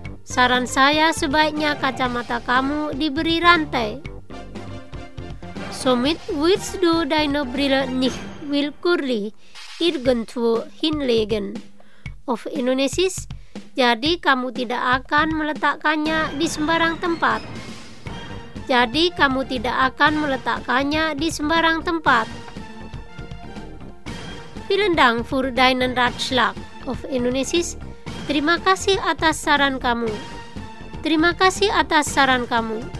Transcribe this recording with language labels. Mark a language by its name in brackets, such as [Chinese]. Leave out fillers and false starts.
[Indonesian] Saran saya sebaiknya kacamata kamu diberi rantai. [German] Somit willst du deine Brille nicht willkürlich irgendwo hinlegen. Auf Indonesisch, [Indonesian] jadi kamu tidak akan meletakkannya di sembarang tempat. Jadi kamu tidak akan meletakkannya di sembarang tempat. [German] Vielen Dank für deinen Ratschlag of Indonesisch. [Indonesian] Terima kasih atas saran kamu. Terima kasih atas saran kamu.